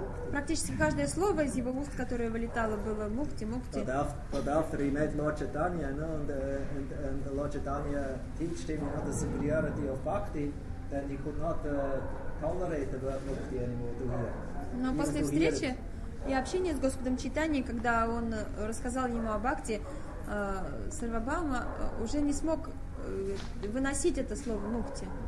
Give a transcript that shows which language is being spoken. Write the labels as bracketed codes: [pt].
[ru] Практически каждое слово из его уст, которое вылетало, было мукти, мукти. [en] But after he met Lord Chaitanya, you know, and Lord Chaitanya taught him, you know, the superiority of bhakti, then he could not tolerate the word mukti anymore to hear. [ru] Но после встречи и общения с Господом Чайтаньей, когда он рассказал ему о бхакти, Сарвабхаума уже не смог выносить это слово мукти.